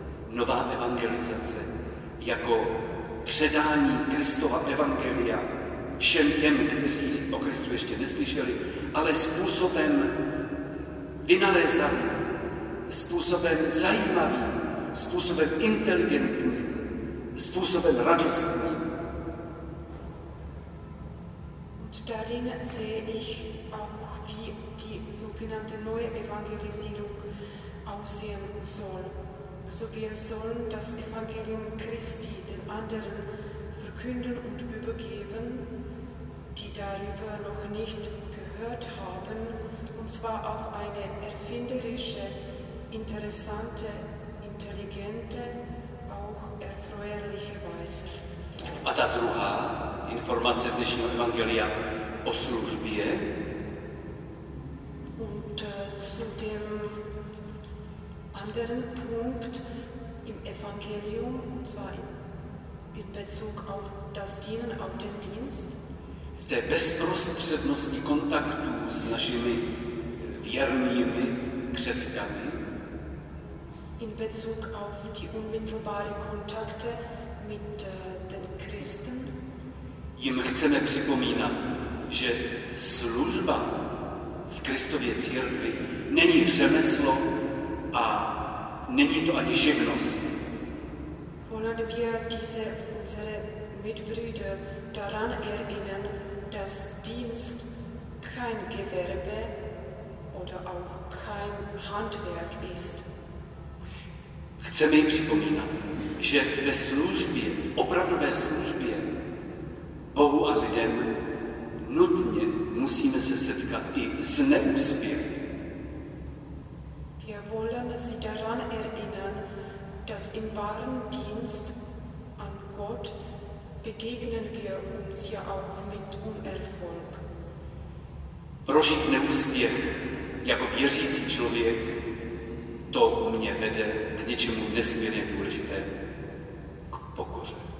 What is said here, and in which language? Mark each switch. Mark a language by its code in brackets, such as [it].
[cs] Nová evangelizace jako předání Kristova evangelia všem těm, kteří o Kristu ještě neslyšeli, ale způsobem vynalézavým, způsobem zajímavým, způsobem inteligentním, způsobem radostným. [de] Und darin sehe ich auch, wie die sogenannte neue Evangelisierung aussehen soll. Also wir sollen das Evangelium Christi den anderen verkünden und übergeben, die darüber noch nicht gehört haben, und zwar auf eine erfinderische, interessante, intelligente, auch erfreuliche Weise. [cs] A ta druhá informace dnešního evangelia o službě. [de] Und zu dem anderen Punkt im Evangelium, und zwar in Bezug auf das Dienen, auf den Dienst. [cs] V té bezprostřednosti kontaktu s našimi věrnými křesťany. [de] In Bezug auf die unmittelbaren Kontakte mit den Christen. [cs] Jim chceme připomínat, že služba v Kristově církvi není řemeslo a není to ani živnost. [de] Wollen wir diese unsere Mitbrüder daran erinnern, dass Dienst kein Gewerbe oder auch kein Handwerk ist. [cs] Chceme jim připomínat, že ve službě, v opravdové službě Bohu a lidem nutně musíme se setkat i s neúspěchy. [de] Wir wollen sie daran erinnern, dass im wahren Dienst an Gott begegnen wir uns ja auch mit Unerfolg. [cs] Prožít neúspěch jako věřící člověk, to u mě vede k něčemu nesmírně důležitému, k pokoře.